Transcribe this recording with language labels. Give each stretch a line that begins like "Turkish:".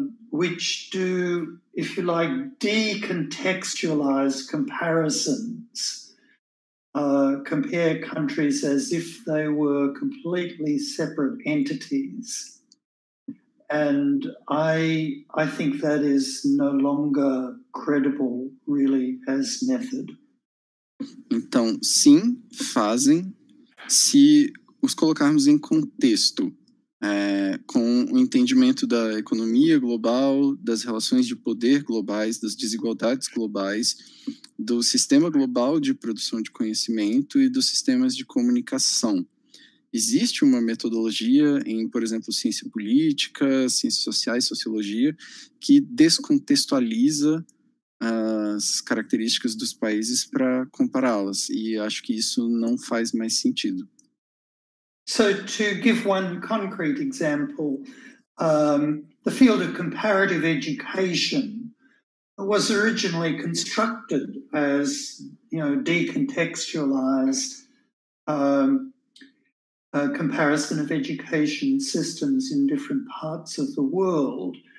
English: Which do, if you like, decontextualize comparisons, compare countries as if they were completely separate entities. And I think that is no longer credible, really, as method.
Portuguese: Então, sim, fazem, se os colocarmos em contexto. Com o entendimento da economia global, das relações de poder globais, das desigualdades globais, do sistema global de produção de conhecimento e dos sistemas de comunicação. Existe uma metodologia em, por exemplo, ciência política, ciências sociais, sociologia, que descontextualiza as características dos países para compará-las, e acho que isso não faz mais sentido.
English: So to give one concrete example, the field of comparative education was originally constructed as, you know, decontextualized comparison of education systems in different parts of the world.